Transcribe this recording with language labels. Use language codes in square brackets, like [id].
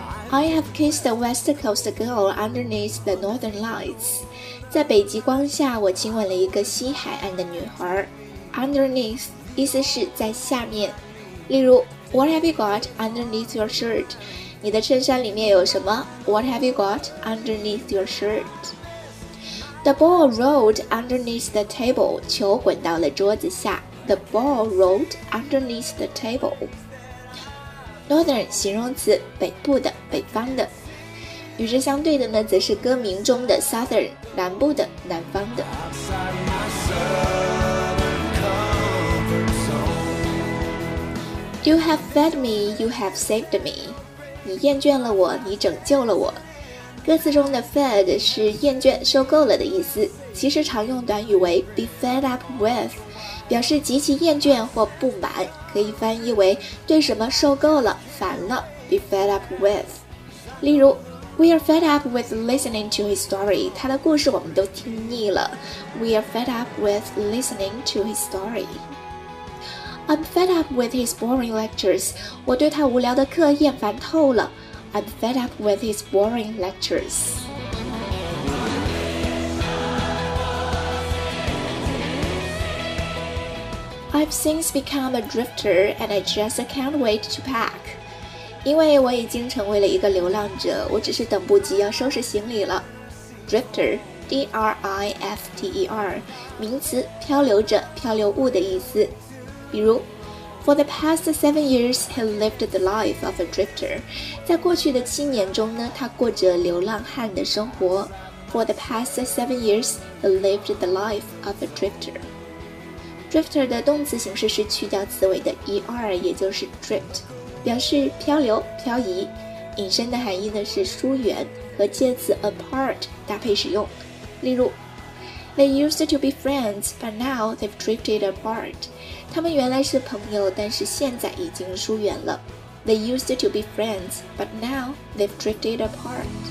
[en] I have kissed the west coast girl underneath the northern lights. [zh] 在北极光下我亲吻了一个西海岸的女孩。 Underneath 意思是在下面。 [en] 例如 What have you got underneath your shirt? [zh] 你的衬衫里面有什么？ [en] What have you got underneath your shirt? The ball rolled underneath the table. [zh] 球滚到了桌子下。 [en] The ball rolled underneath the table. Northern [zh] 形容词，北部的、北方的。与之相对的呢，则是歌名中的 Southern 南部的、南方的。 [en] You have fed me, you have saved me. [zh] 你厌倦了我，你拯救了我。歌词中的 fed 是厌倦、受够了的意思，其实常用短语为 [en] be fed up with， [zh] 表示极其厌倦或不满，可以翻译为对什么受够了、烦了。 [en] Be fed up with， 例如 We are fed up with listening to his story， [zh] 他的故事我们都听腻了。 [en] We are fed up with listening to his story。 I'm fed up with his boring lectures， [zh] 我对他无聊的课厌烦透了。 [en] I'm fed up with his boring lecturesI've since become a drifter and I just can't wait to pack. [zh] 因为我已经成为了一个流浪者，我只是等不及要收拾行李了。 Drifter, D-R-I-F-T-E-R, 名词，漂流者、漂流物的意思。 [en] 比如 ,For the past 7 years, he lived the life of a drifter. [zh] 在过去的七年中呢，他过着流浪汉的生活。 [en] For the past 7 years, he lived the life of a drifter. [zh] Drifter 的动词形式是去掉词尾的 er， 也就是 drift， 表示漂流、漂移。引申的含义呢是疏远，和介词 apart 搭配使用。 [en] 例如 ，They used to be friends, but now they've drifted apart. [zh] 他们原来是朋友，但是现在已经疏远了。 [en] They used to be friends, but now they've drifted apart.